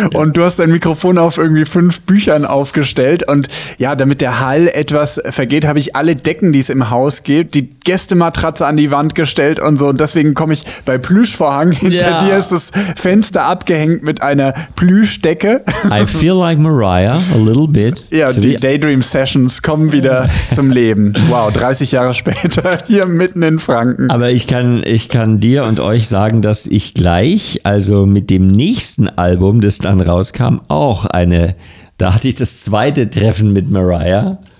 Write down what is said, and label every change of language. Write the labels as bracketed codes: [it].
[de] Und du hast dein Mikrofon auf irgendwie 5 Büchern aufgestellt. Und ja, damit der Hall etwas vergeht, habe ich alle Decken, die es im Haus gibt, die Gästematratze an die Wand gestellt und so. Und deswegen komme ich bei Plüschvorhang. Hinter dir ist das Fenster abgehängt mit einer Plüschdecke. [en] I feel like Mariah a little bit. [de] Ja, so die Daydream Sessions kommen wieder zum Leben. Wow, 30 Jahre später hier mitten in Franken. Aber ich kann dir und euch sagen, dass ich gleich, also mit dem nächsten Album, das dann rauskam, auch eine, da hatte ich das zweite Treffen mit Mariah.